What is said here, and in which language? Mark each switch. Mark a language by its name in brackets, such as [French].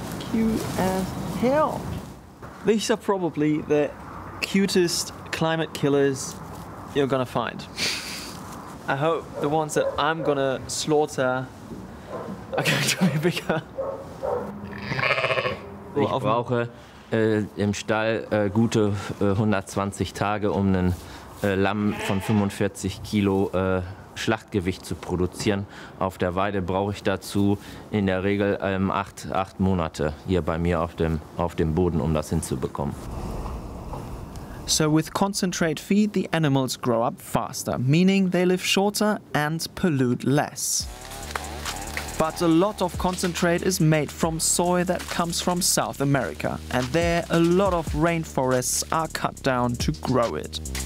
[English] Cute as hell. These are probably the cutest climate killers you're gonna find. I hope the ones that I'm gonna slaughter are going to be bigger. [German] Ich brauche im Stall gute 120 Tage, um einen Lamm von 45 Kilo Schlachtgewicht zu produzieren. Auf der Weide brauche ich dazu in der Regel 8 Monate hier bei mir auf dem Boden, um das hinzubekommen. [English] So with concentrate feed, the animals grow up faster, meaning they live shorter and pollute less. But a lot of concentrate is made from soy that comes from South America, and there a lot of rainforests are cut down to grow it.